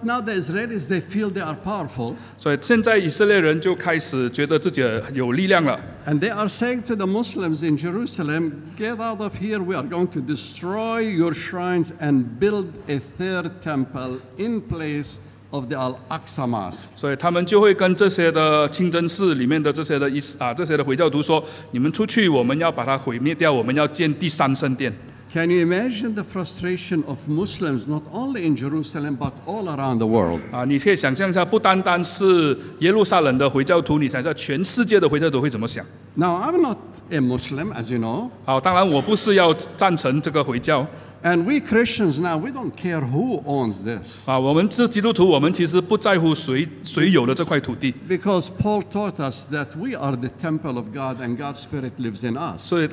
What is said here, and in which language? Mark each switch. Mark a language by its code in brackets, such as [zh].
[en] now the Israelis, they feel they are powerful. [zh] 所以现在以色列人就开始觉得自己有力量了。 [en] And they are saying to the Muslims in Jerusalem, get out of here, we are going to destroy your shrines and build a third temple in place of the Al-Aqsa Mosque. [zh] 所以他们就会跟这些的清真寺里面的这些的伊斯啊这些的回教徒说，你们出去，我们要把它毁灭掉，我们要建第三圣殿。 [en] Can you imagine the frustration of Muslims not only in Jerusalem but all around the world? [zh] 你可以想象一下，不单单是耶路撒冷的回教徒，你想一下全世界的回教徒会怎么想？ [en] Now I'm not a Muslim, as you know. [zh] 当然我不是要赞成这个回教。 [en] And we Christians now, we don't care who owns this. [zh] 我们是基督徒，我们其实不在乎谁有的这块土地。 [en] Because Paul taught us that we are the temple of God and God's Spirit lives in us.